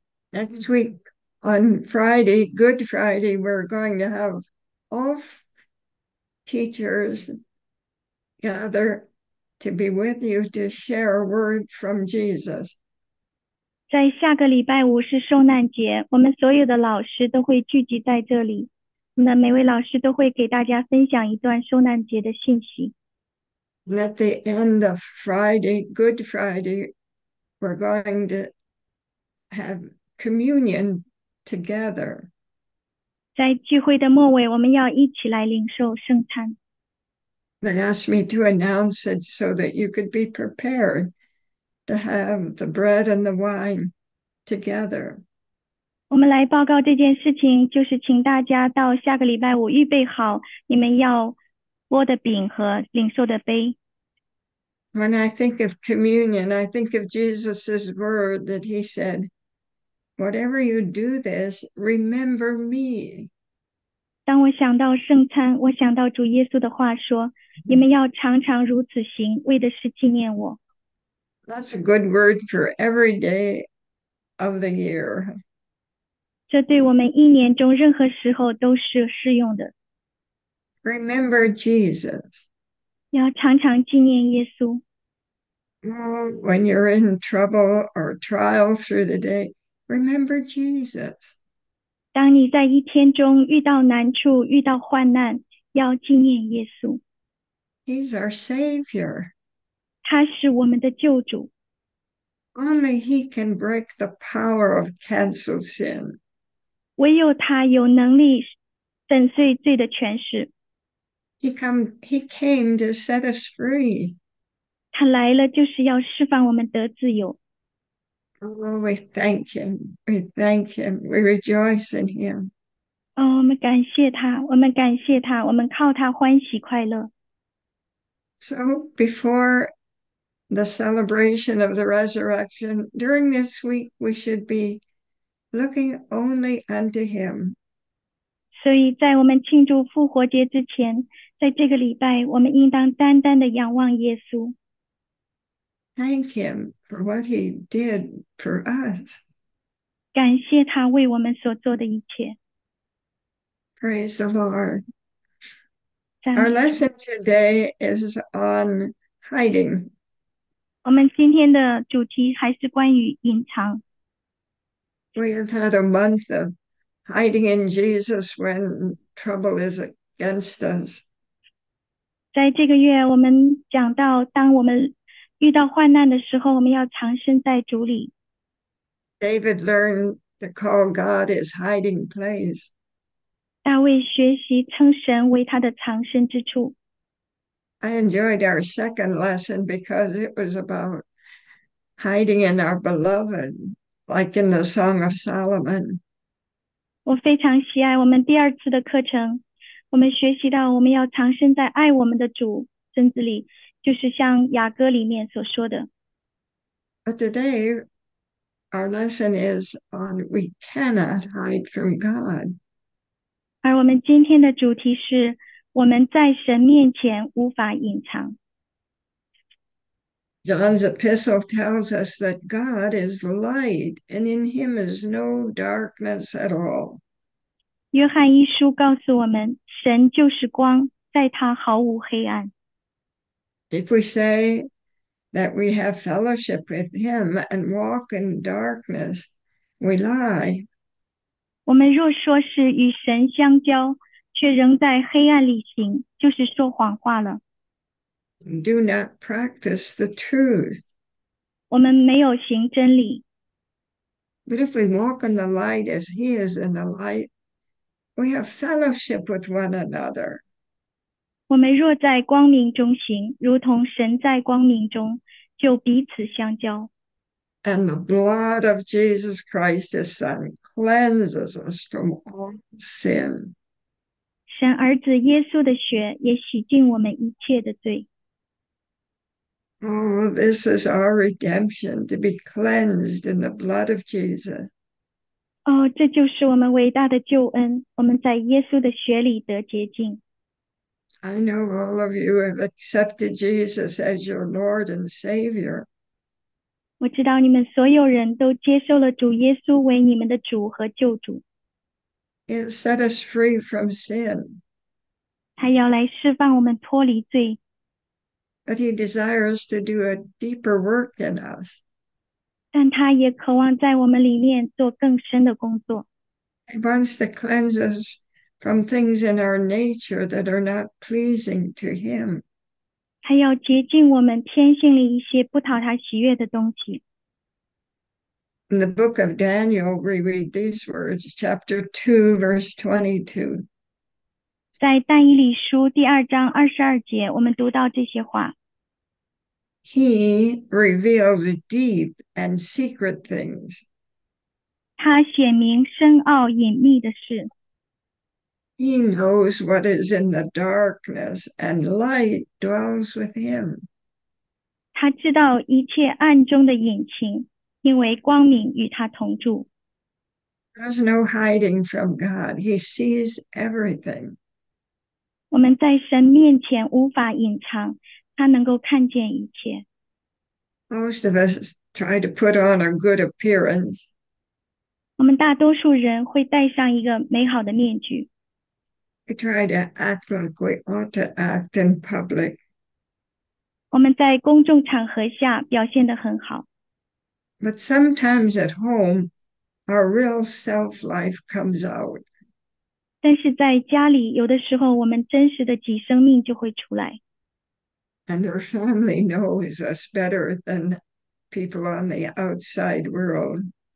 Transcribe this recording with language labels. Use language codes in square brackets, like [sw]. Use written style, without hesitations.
[en] Next week on Friday, Good Friday, we're going to have all teachers gather to be with you to share a word from Jesus. [zh] 在下个礼拜五是受难节，我们所有的老师都会聚集在这里。那每位老师都会给大家分享一段受难节的信息。 [en] At the end of Friday, Good Friday, we're going to have communion together. [zh] 在聚会的末尾，我们要一起来领受圣餐。 [en] They asked me to announce it so that you could be prepared to have the bread and the wine together. [zh] 我们来报告这件事情，就是请大家到下个礼拜五预备好你们要握的饼和领受的杯。 [en] When I think of communion, I think of Jesus's word that he said, "Whatever you do this, remember me." [zh] 当我想到圣餐，我想到主耶稣的话说：“你们要常常如此行，为的是纪念我。 ” [en] That's a good word for every day of the year. [zh] 这对我们一年中任何时候都是适用的。 [en] Remember Jesus. [zh] 要常常纪念耶稣。 [en] When you're in trouble or trial through the day, remember Jesus. [zh] 当你在一天中遇到难处、遇到患难，要纪念耶稣。 [en] He's our Savior. [zh] 他是我们的救主。 [en] Only He can break the power of canceled sin. [zh] 唯有他有能力粉碎罪的权势， [en] He came to set us free. [zh] 他来了就是要释放我们得自由。 [en] Oh, we thank him. We thank him. We rejoice in him. [zh] 哦，我们感谢他，我们感谢他，我们靠他欢喜快乐。 [en] So, before the celebration of the resurrection, during this week, we should be looking only unto him. [zh] 所以在我们庆祝复活节之前，在这个礼拜，我们应当单单的仰望耶稣。 [en] Thank him for what he did for us. [zh] 感谢他为我们所做的一切。 [en] Praise the Lord. [zh] 赞 [en] Our [zh] 美主。 [en] lesson today is on hiding. [zh] 我们今天的主题还是关于隐藏。 [en] We have had a month of hiding in Jesus when trouble is against us. [zh] 在这个月，我们讲到，当我们遇到患难的时候，我们要藏身在主里。 [en] David learned to call God his hiding place. [zh] 大卫学习称神为他的藏身之处。 [en] I enjoyed our second lesson because it was about hiding in our beloved, like in the Song of Solomon. [zh] 我非常喜爱我们第二次的课程。我们学习到，我们要藏身在爱我们的主身子里，就是像雅歌里面所说的。 [en] But today, our lesson is on we cannot hide from God. [zh] 而我们今天的主题是，我们在神面前无法隐藏。 [en] John's epistle tells us that God is light, and in him is no darkness at all. [zh] 约翰一书告诉我们。神就是光，在他毫无黑暗。 [en] If we say that we have fellowship with him and walk in darkness, we lie. [zh] 我们若说是与神相交，却仍在黑暗里行，就是说谎话了。 [en] Do not practice the truth. [zh] 我们没有行真理。 [en] But if we walk in the light as he is in the light, we have fellowship with one another. [zh] 我们若在光明中行，如同神在光明中，就彼此相交。 [en] And the blood of Jesus Christ, his son, cleanses us from all sin. [zh] 神儿子耶稣的血也洗净我们一切的罪。 [en] Oh, this is our redemption to be cleansed in the blood of Jesus. [zh] 哦，这就是我们伟大的救恩，我们在耶稣的血里得洁净。 [en] I know all of you have accepted Jesus as your Lord and Savior. [zh] 我知道你们所有人都接受了主耶稣为你们的主和救主， [en] He set us free from sin. [zh] 他要来释放我们脱离罪。 [en] But he desires to do a deeper work in us. [zh] 但他也渴望在我们里面做更深的工作。 [en] He wants to cleanse us from things in our nature that are not pleasing to him. [zh] 他要洁净我们天性里一些不讨他喜悦的东西。 [en] In the book of Daniel, we read these words, chapter 2, verse 22. [zh] 在但以理书第2章22节，我们读到这些话。 [en] He reveals deep and secret things. [zh] 他显明深奥隐秘的事。 [en] He knows what is in the darkness, and light dwells with him. [zh] 他知道一切暗中的隐情，因为光明与他同住。 [en] There's no hiding from God, He sees everything. [zh] 我们在神面前无法隐藏，他能够看见一切。 [en] Most of us try to put on a good appearance. [zh] 我们大多数人会戴上一个美好的面具。 [en] We try to act like we ought to act in public. [zh] 我们在公众场合下表现得很好。 [en] But sometimes at home, our real self life comes out. [zh] 但是在家里，有的时候我们真实的己生命就会出来。 [en] And our family knows us better than people on the outside world.